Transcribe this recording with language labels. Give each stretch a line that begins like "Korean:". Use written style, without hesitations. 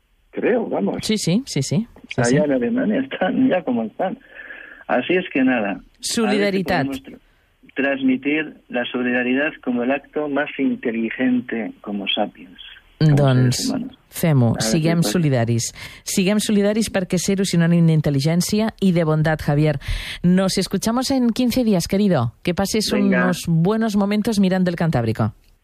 Spanish: Creo, vamos. Sí. Allá en Alemania están ya como están. Así es que nada. Solidaridad. Transmitir la solidaridad como el acto más inteligente como sapiens.
Catalan: Doncs fem-ho, siguem solidaris. Siguem solidaris perquè ser-ho sinònim d'intel·ligència i de bondat, Javier.
Spanish: Nos escuchamos en 15 días, querido. Que pases unos buenos momentos mirando el Cantábrico.